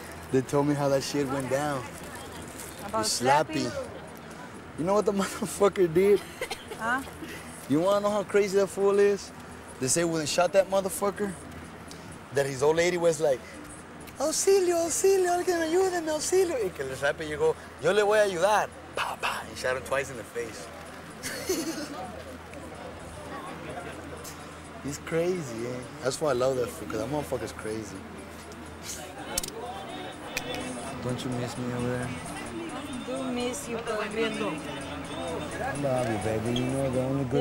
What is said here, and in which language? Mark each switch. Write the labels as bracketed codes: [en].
[en] They told me how that shit went down. About Slappy. You know what the motherfucker did? Huh? You wanna know how crazy that fool is? They say when they shot that motherfucker, that his old lady was like, [es] auxilio, auxilio, alguien ayúdeme, auxilio. Y que el Slappy llegó, yo le voy a ayudar. [en] Pa, pa, and shot him twice in the face. He's crazy, eh? That's why I love that fool, because that motherfucker's crazy. Don't you miss me over there? I do miss you, baby. I love you, baby. You know the only good